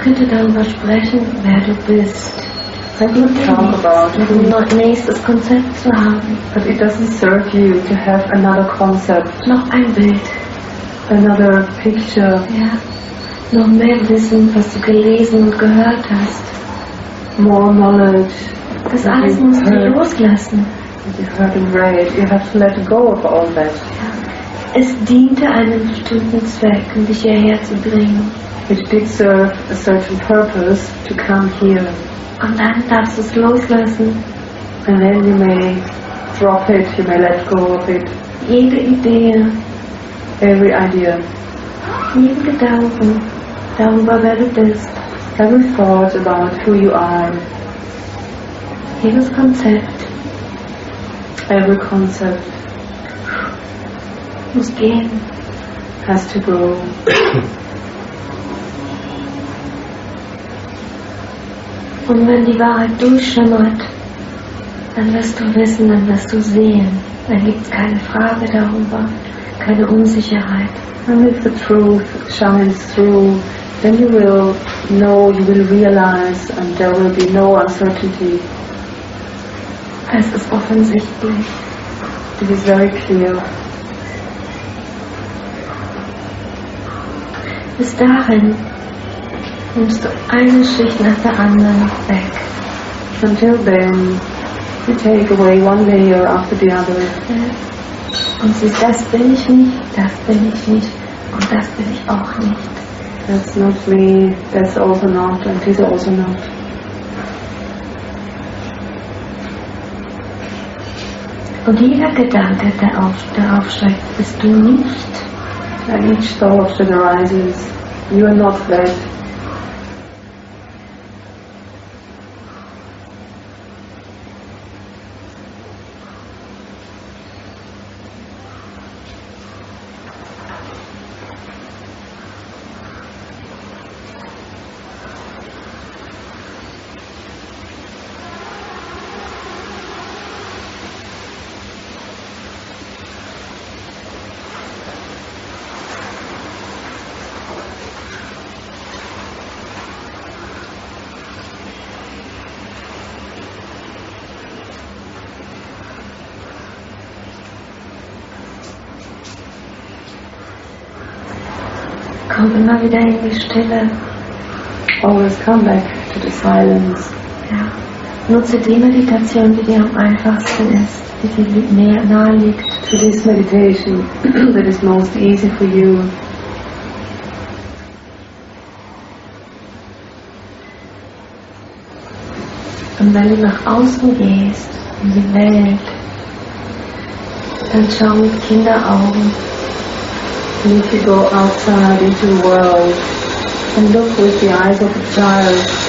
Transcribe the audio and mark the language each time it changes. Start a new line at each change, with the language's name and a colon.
German: Darüber sprechen, wer du bist. Noch nächstes Konzept zu haben.
English: But it doesn't serve you to have another concept.
German: Noch ein Bild.
English: Another picture.
German: Ja. Noch mehr Wissen, was du gelesen und gehört hast.
English: More knowledge.
German: Das alles musst du loslassen.
English: You heard and read. You have to let go of all that.
German: Ja. Es diente einem bestimmten Zweck, um dich hierher zu bringen.
English: It did serve a certain purpose to come here.
German: Und dann darfst du es loslassen.
English: And then you may drop it, you may let go of it.
German: Jede Idee.
English: Every idea.
German: Jeden Gedanken darüber, wer du bist.
English: Every thought about who you are.
German: Jedes Konzept.
English: Every concept.
German: Muss gehen.
English: Has to go.
German: Und wenn die Wahrheit durchschimmert, dann wirst du wissen, dann wirst du sehen. Dann gibt es keine Frage darüber, keine Unsicherheit.
English: And if the truth shines through, then you will know, you will realize, and there will be no uncertainty.
German: Es ist offensichtlich.
English: It is very clear.
German: Bis dahin nimmst du eine Schicht nach der anderen weg.
English: Until then, you take away one layer after the other.
German: Und siehst, das bin ich nicht, das bin ich nicht, und das bin ich auch nicht.
English: That's not me, that's also not, and this also not.
German: Und jeder Gedanke, der aufsteigt, bist du nicht.
English: And each thought that arises, you are not that.
German: Immer wieder in die Stille.
English: Always come back to the silence.
German: Ja. Nutze die Meditation, die dir am einfachsten ist, die dir mehr nahe liegt.
English: To this meditation that is most easy for you.
German: Und wenn du nach außen gehst, in die Welt, dann schau mit Kinderaugen.
English: And if you go outside into the world and look with the eyes of a child,